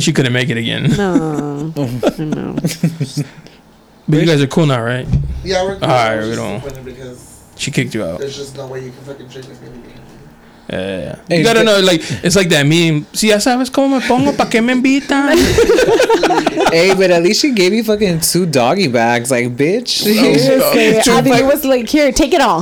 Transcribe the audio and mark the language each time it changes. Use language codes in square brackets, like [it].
[en] She couldn't make it again. No. No. But you guys are cool now, right? Yeah, we're cool. All right, we're don't. She kicked you out. There's just no way you can fucking drink with me. Yeah. Hey, you gotta know, like, it's like that meme. [es] Si ya sabes como me pongo, pa que me invitan. [en] Hey, but at least she gave me fucking 2 doggy bags. Like, bitch. Abby was like, here, take it all.